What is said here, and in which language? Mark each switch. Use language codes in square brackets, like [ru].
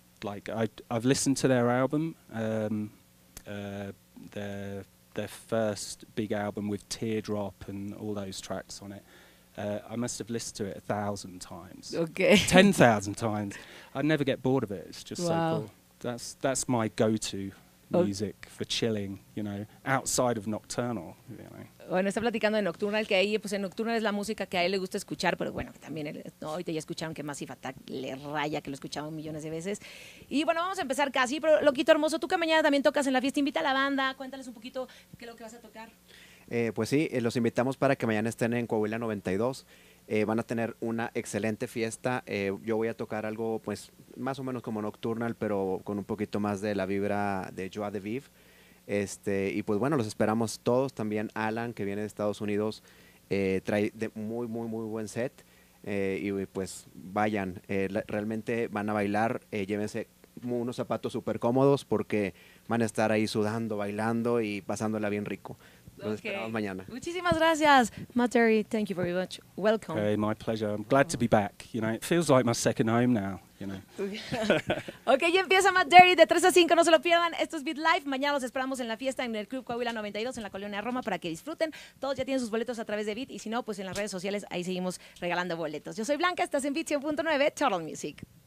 [en] Like I've listened to their album, their first big album with Teardrop and all those tracks on it. I must have listened to it 1,000 times. Okay. 10,000 times. I never get bored of it. It's just, wow, so cool. That's my go-to music for chilling, you know, outside of nocturnal, you know. [es] Bueno, está platicando de Nocturnal, que ahí, pues en Nocturnal es la música que a él le gusta escuchar, pero bueno, también, ahorita ya escucharon que Massive Attack le raya, que lo escuchaban millones de veces. Y bueno, vamos a empezar casi, pero Loquito Hermoso, tú que mañana también tocas en la fiesta, invita a la banda, cuéntales un poquito qué es lo que vas a tocar. Pues sí, los invitamos para que mañana estén en Coahuila 92. Van a tener una excelente fiesta. Yo voy a tocar algo, pues, más o menos como Nocturnal, pero con un poquito más de la vibra de Joie de Vivre. Y pues bueno, los esperamos todos, también Alan, que viene de Estados Unidos, trae de muy, muy, muy buen set, y pues vayan, realmente van a bailar, llévense unos zapatos súper cómodos porque van a estar ahí sudando, bailando y pasándola bien rico. Los esperamos mañana. Muchísimas gracias, [en] Materi, thank you very much, welcome. Hey, my pleasure, I'm glad to be back, you know, it feels like my second home now. You know. [es] Ok, ya empieza Matt Derry de 3 a 5, no se lo pierdan, esto es Beat Life. Mañana los esperamos en la fiesta en el Club Coahuila 92 en la Colonia Roma para que disfruten. Todos ya tienen sus boletos a través de Beat y si no, pues en las redes sociales ahí seguimos regalando boletos. Yo soy Blanca, estás en Beat 100.9, Total Music.